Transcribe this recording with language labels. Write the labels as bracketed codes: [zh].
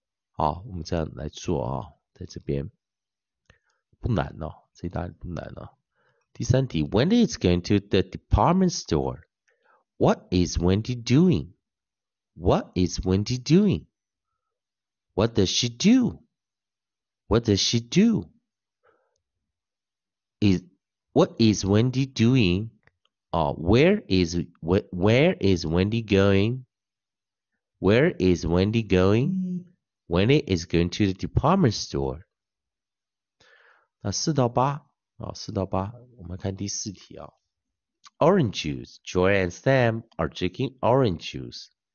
[zh] 好，我们这样来做啊，在这边不难哦，这答案不难哦。第三题 [en] ，Wendy is going to the department store. What is Wendy doing? What is Wendy doing? What does she do? What does she do? What is Wendy doing? Where is Wendy going? Where is Wendy going? Wendy is going to the department store. [zh] 那四到八。四到八，我们看第四题啊。 [en] Orange juice, Joy and Sam are drinking orange juice.